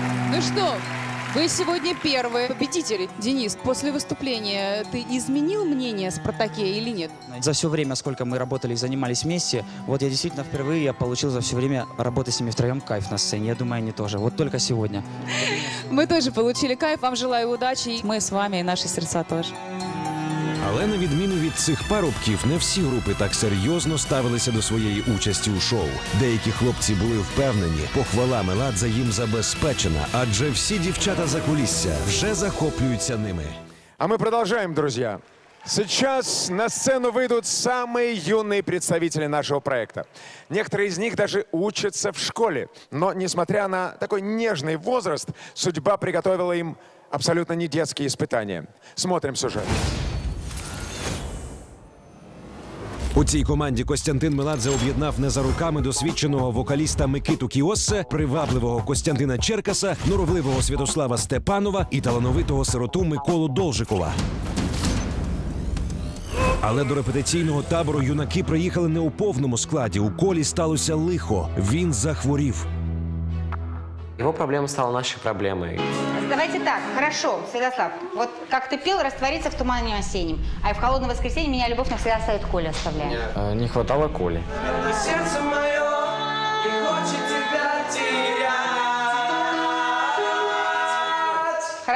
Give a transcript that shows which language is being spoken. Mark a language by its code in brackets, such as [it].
[ru] Ну что, вы сегодня первые победители. Денис, после выступления ты изменил мнение о «Спартаке» или нет? За все время, сколько мы работали и занимались вместе, вот я действительно впервые я получил за все время работы с ними втроем кайф на сцене. Я думаю, они тоже. Вот только сегодня. Мы тоже получили кайф. Вам желаю удачи. Мы с вами и наши сердца тоже. [uk] Але на відміну від цих парубків, не всі групи так серйозно ставилися до своєї участі у шоу. Деякі хлопці були впевнені, похвала Меладзе їм забезпечена, адже всі дівчата за кулісся вже захоплюються ними. А ми продовжуємо, друзі. [ru] Сейчас на сцену выйдут самые юные представители нашего проекта. Некоторые из них даже учатся в школе. Но, несмотря на такой нежный возраст, судьба приготовила им абсолютно не детские испытания. Смотрим сюжет. [uk] У цій команді Костянтин Меладзе об'єднав не за руками досвідченого вокаліста Микиту Кіоссе, привабливого Костянтина Черкаса, норовливого Святослава Степанова і талановитого сироту Миколу Должикова. Але до репетиційного табору юнаки приїхали не у повному складі. У Колі сталося лихо. Він захворів. Його проблема стала нашою проблемою. [ru] Давайте так, хорошо, Святослав, вот как ты пел, раствориться в тумане осеннем, а и в холодное воскресенье меня любовь навсегда оставит, Коля оставляет. Нет. Не хватало Коли. Сердце мое и хочет тебя терять.